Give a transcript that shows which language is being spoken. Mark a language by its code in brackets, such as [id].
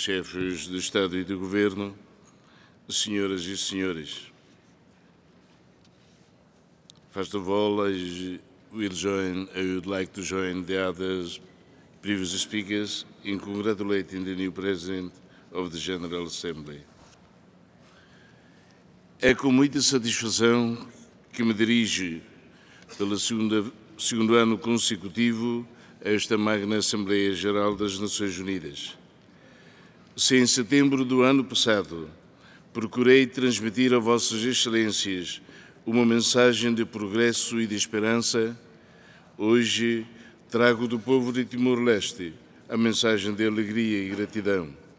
[pt] Chefes de Estado e de Governo, Senhoras e Senhores. [en] First of all, I would like to join the other previous speakers in congratulating the new President of the General Assembly. [pt] É com muita satisfação que me dirijo pelo segundo ano consecutivo a esta magna Assembleia Geral das Nações Unidas. Se em setembro do ano passado procurei transmitir a Vossas Excelências uma mensagem de progresso e de esperança, hoje trago do povo de Timor-Leste a mensagem de alegria e gratidão.